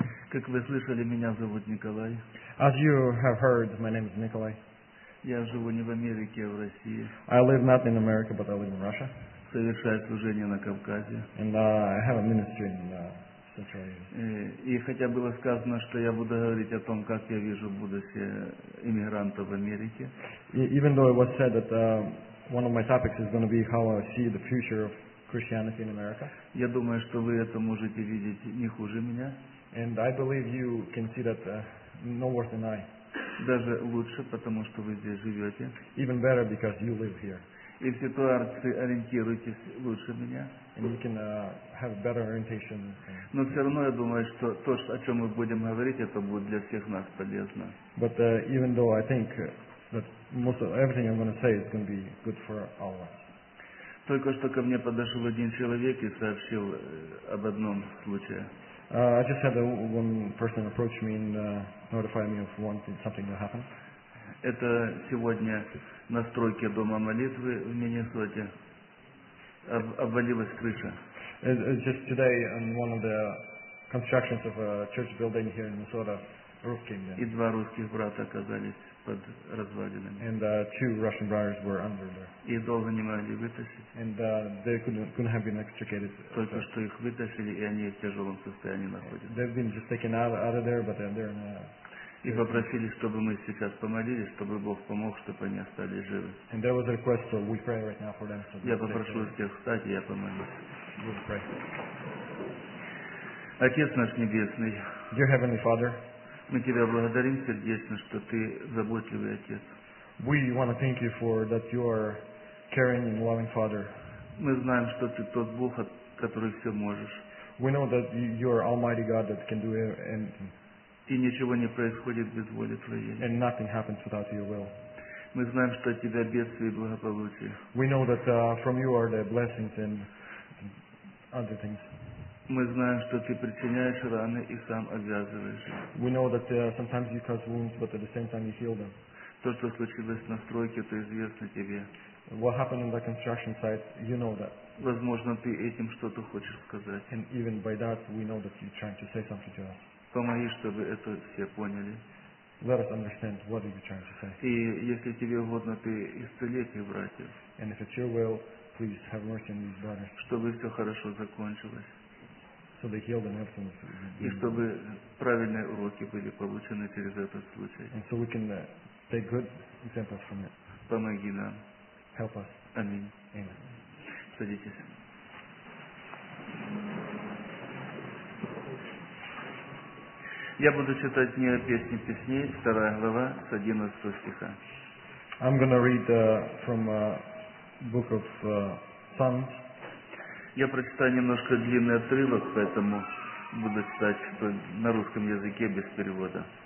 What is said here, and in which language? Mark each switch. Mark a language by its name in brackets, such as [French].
[Russian] Как вы слышали, меня зовут Николай. [English] As you have heard, my name is Nikolai. [Russian] Я живу не в Америке, а в России. [English] I live not in America, but I live in Russia. [Russian] Совершаю служение на Кавказе. [English] And I have a ministry in Central Asia. [Russian] И хотя было сказано, что я буду говорить о том, как я вижу будущее иммигрантов в Америке. [English] Even though it was said that one of my topics is going to be how I see the future of Christianity in America. [Russian] Я думаю, что вы это можете видеть не хуже меня. [English] And I believe you can see that no worse than I. [Russian] Даже лучше, потому что вы здесь живете. [English] Even better because you live here. [Russian] И в ситуации ориентируйтесь лучше меня. [English] And you can have better orientation. [Russian] Но все равно я думаю, что то, о чем мы будем говорить, это будет для всех нас полезно. [English] But even though I think that most of everything I'm going to say is going to be good for all of us. [Russian] Только что ко мне подошел один человек и сообщил об одном случае. [English] I just had one person approach me and notify me of something that happened. [Russian] Это сегодня на стройке дома молитвы в Миннесоте обвалилась крыша. [English] It's just today on one of the constructions of a church building here in Minnesota, roof came down. [Russian] И два русских брата оказались под развалинами. [English] And two Russian brothers were under there. [Russian] И долго не могли вытащить. [English] And they couldn't have been extricated. [Russian] Только что их вытащили, и они в тяжелом состоянии находятся. [English] They've been just taken out of there, but they're in a... [Russian] И попросили, чтобы мы сейчас помолились, чтобы Бог помог, чтобы они остались живы. [English] And there was a request, so we pray right now for them. So [Russian] я попрошу всех встать, и я помолюсь. [English] We'll pray. [Russian] Отец наш Небесный. [English] Dear Heavenly Father. [Russian] Мы тебя благодарим сердечно, что ты заботливый отец. [English] We want to thank you for that you are caring and loving Father. [Russian] Мы знаем, что ты тот Бог, который все можешь. [English] We know that you are Almighty God that can do anything. [Russian] И ничего не происходит без воли твоей. [English] And nothing happens without your will. [Russian] Мы знаем, что от тебя бедствие и благополучие. [English] We know that from you are the blessings and other things. [Russian] Мы знаем, что ты причиняешь раны и сам обвязываешь. [English] We know that sometimes you cause wounds, but at the same time you heal them. [Russian] То, что случилось на стройке, это известно тебе. [English] What happened on the construction site, you know that. [Russian] Возможно, ты этим что-то хочешь сказать. [English] And even by that, we know that you're trying to say something to us. [Russian] Помоги, чтобы это все поняли. [English] Let us understand what are you trying to say. [Russian] И если тебе угодно, ты исцели этих братьев. [English] And if it's your will, please have mercy on these brothers. [Russian] Чтобы все хорошо закончилось. [English] So they healed and everything. [Russian] И чтобы правильные уроки были получены через этот случай. [English] And so we can take good examples from it. [Russian] Помоги нам. [English] Help us. [Russian] Аминь. [English] Amen. [Russian] Садитесь. Я буду читать не песни песней, 2 глава, с 11 стиха. [English] I'm going to read from a book of Psalms. [Russian] Я прочитаю немножко длинный отрывок, поэтому буду читать что на русском языке без перевода.